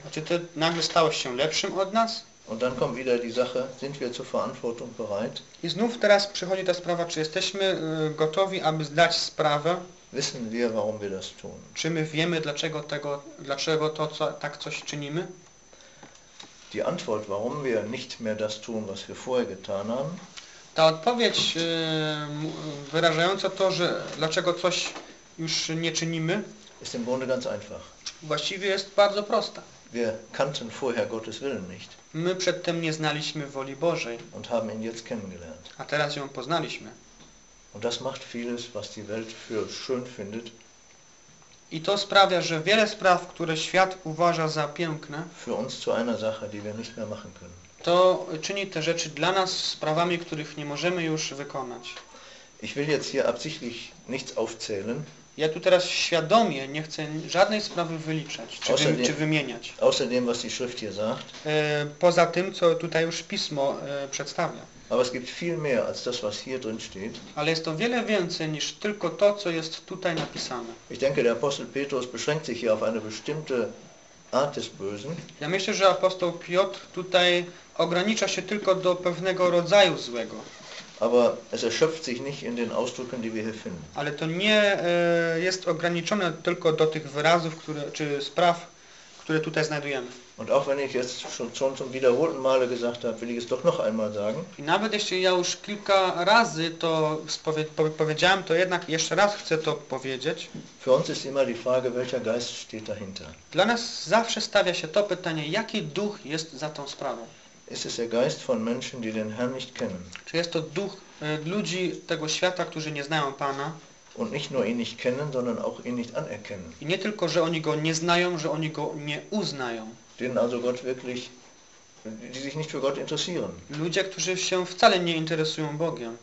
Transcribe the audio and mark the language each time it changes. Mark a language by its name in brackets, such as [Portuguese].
[Polish] A czy ty nagle stałeś się lepszym od nas? [German] Und dann kommt wieder die Sache, sind wir zur Verantwortung bereit? [Polish] I znów teraz przychodzi ta sprawa, czy jesteśmy gotowi, aby zdać sprawę? [German] Wissen wir, warum wir das tun? [Polish] Czy my wiemy, dlaczego to co, tak coś czynimy? [German] Die Antwort, warum wir nicht mehr das tun, was wir vorher getan haben? [Polish] Ta odpowiedź wyrażająca to, że dlaczego coś już nie czynimy, [German] ist im Grunde ganz einfach. [Polish] Właściwie jest bardzo prosta. [German] Wir kannten vorher Gottes Willen nicht. [Polish] My przedtem nie znaliśmy woli Bożej. [German] Und haben ihn jetzt kennengelernt. [Polish] A teraz ją poznaliśmy. [German] Und das macht vieles, was die Welt für schön findet. [Polish] I to sprawia, że wiele spraw, które świat uważa za piękne, [German] für uns zu einer Sache, die wir nicht mehr machen können. [Polish] to czyni te rzeczy dla nas sprawami, których nie możemy już wykonać. [German] Ich will jetzt hier absichtlich nichts aufzählen. [Polish] Ja tu teraz świadomie nie chcę żadnej sprawy wyliczać czy wymieniać. [German] Außerdem, was die Schrift hier sagt. [Polish] Poza tym, co tutaj już Pismo przedstawia. [German] Aber es gibt viel mehr als das, was hier drin steht. [Polish] Ale jest to wiele więcej niż tylko to, co jest tutaj napisane. [German] Ich denke, der Apostel Petrus beschränkt sich hier auf eine bestimmte Art des Bösen. [Polish] Ja myślę, że apostoł Piotr tutaj ogranicza się tylko do pewnego rodzaju złego. [German] Aber es erschöpft sich nicht in den Ausdrücken, die wir hier finden. [Polish] Ale to nie jest ograniczone tylko do tych wyrazów, które, czy spraw, które tutaj znajdujemy. [German] Und auch wenn ich jetzt schon zum wiederholten Male gesagt habe, will ich es doch noch einmal sagen. [Polish] I nawet jeśli ja już kilka razy to powiedziałem, to jednak jeszcze raz chcę to powiedzieć. [German] Für uns ist immer die Frage, welcher Geist steht dahinter. [Polish] Dla nas zawsze stawia się to pytanie, jaki duch jest za tą sprawą. [German] Ist es der Geist von Menschen, die den Herrn nicht kennen? [Polish] Czy jest to duch ludzi tego świata, którzy nie znają Pana? [German] Und nicht nur ihn nicht kennen, sondern auch ihn nicht anerkennen. [Polish] I nie tylko, że oni go nie znają, że oni go nie uznają. [German] Denen also Gott wirklich, die sich nicht für Gott interessieren. [Polish] Ludzie, którzy się wcale nie interesują Bogiem.